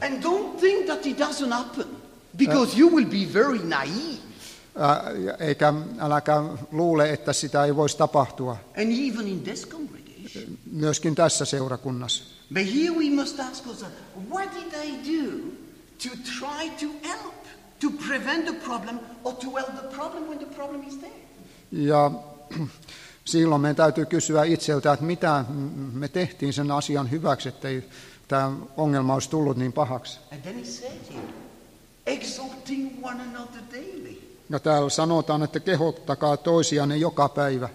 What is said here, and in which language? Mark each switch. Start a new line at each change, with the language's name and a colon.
English: And don't think that it doesn't happen, because you will be very naive.
Finnish: Eikä äläkään luule, että sitä ei voisi tapahtua.
English: And even in this congregation.
Finnish: Myöskin tässä seurakunnassa.
English: But here we must ask ourselves, what did I do to try to help, to prevent the problem, or to help the problem when the problem is there?
Finnish: Ja silloin meidän täytyy kysyä itseltä, että mitä me tehtiin sen asian hyväksi, ettei tämä ongelma olisi tullut niin pahaksi.
English: And then he said here, exhorting one another daily.
Finnish: Ja täällä sanotaan, että kehottakaa toisianne joka päivä.